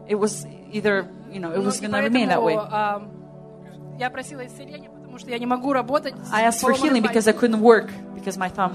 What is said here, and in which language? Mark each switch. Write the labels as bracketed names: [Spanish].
[English] It was either, you know, it was going to remain that way. [Russian] Я просила исцеления, потому что я не могу работать. [English] I asked for healing because I couldn't work because my thumb.